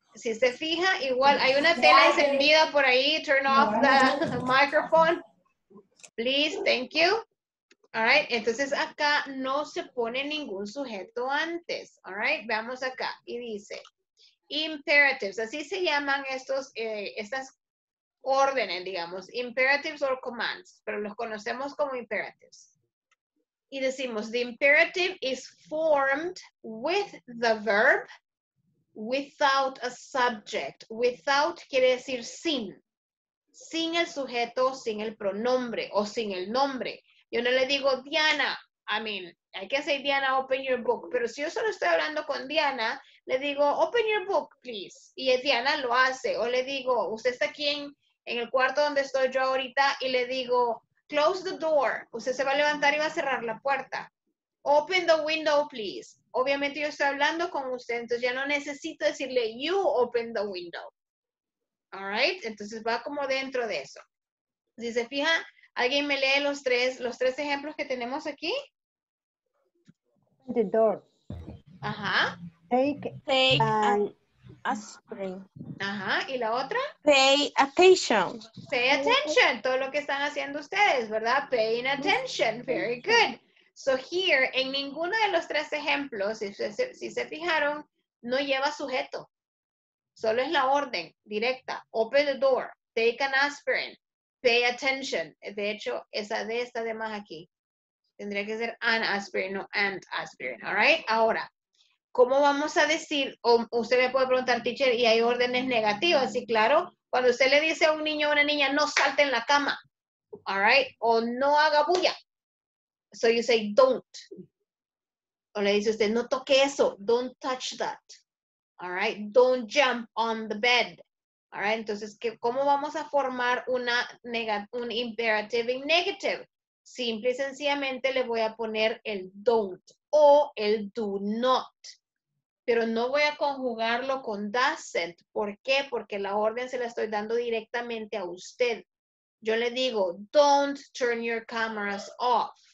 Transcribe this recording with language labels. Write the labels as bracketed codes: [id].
[es] Si se fija, igual hay una tela encendida por ahí, [en] turn off the microphone, please, thank you, all right? [es] Entonces, acá no se pone ningún sujeto antes, [en] all right? [es] Veamos acá, y dice, imperatives, así se llaman estos, estas órdenes, digamos, [en] imperatives or commands, [es] pero los conocemos como imperatives. Y decimos, [en] the imperative is formed with the verb, without a subject. [es] Without quiere decir sin, sin el sujeto, sin el pronombre o sin el nombre. Yo no le digo, Diana, [en] I mean, [es] hay que decir, [en] Diana, open your book, [es] pero si yo solo estoy hablando con Diana, le digo, [en] open your book, please, [es] y Diana lo hace. O le digo, usted está aquí en el cuarto donde estoy yo ahorita, y le digo, [en] close the door. [es] Usted se va a levantar y va a cerrar la puerta. [en] Open the window, please. [es] Obviamente yo estoy hablando con usted, entonces ya no necesito decirle, [en] you open the window. All right? [es] Entonces va como dentro de eso. Si se fija, ¿alguien me lee los tres ejemplos que tenemos aquí? [en] Open the door. [es] Ajá. [en] Take aspirin. [es] Ajá, ¿y la otra? [en] Pay attention. Pay attention, [es] todo lo que están haciendo ustedes, ¿verdad? [en] Paying attention, very good. So here, [es] en ninguno de los tres ejemplos, si se fijaron, no lleva sujeto. Solo es la orden directa. [en] Open the door, take an aspirin, pay attention. [es] De hecho, esa D está de más aquí. Tendría que ser an aspirin, no and aspirin, [en] all right? [es] Ahora, ¿cómo vamos a decir? O usted me puede preguntar, teacher, y hay órdenes negativas. Y claro, cuando usted le dice a un niño o a una niña, no salte en la cama, [en] all right, [es] o no haga bulla. [en] So you say, don't. [es] O le dice usted, no toque eso, [en] don't touch that, all right, don't jump on the bed, all right. [es] Entonces, ¿cómo vamos a formar un [en] imperative in negative? [es] Simple y sencillamente le voy a poner el don't o el do not. Pero no voy a conjugarlo con doesn't. ¿Por qué? Porque la orden se la estoy dando directamente a usted. Yo le digo, [en] don't turn your cameras off.